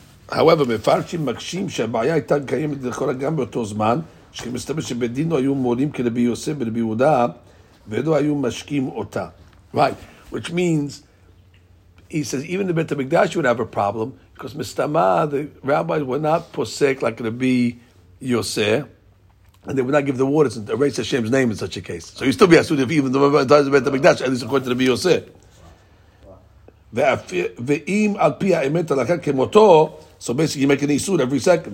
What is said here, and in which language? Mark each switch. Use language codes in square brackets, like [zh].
[he] However, Mefarshim Makshim Shebaya Ita Kayam Dechora Gam Betozman, שמסתבר שבדין לא היו מורים כרבי יוסף ורבי יהודה ולא היו משקים אותה. [en] Right, which means, he says, even the Beit HaMikdash would have a problem, because מסתמה, the rabbis were not posek like רבי יוסף, and they would not give the waters and erase Hashem's name in such a case. So you still be asked if even the Beit HaMikdash, at least according to רבי יוסף. [he] ואם על פי האמת הלכה כמותו, [en] so basically, you make an isur every second.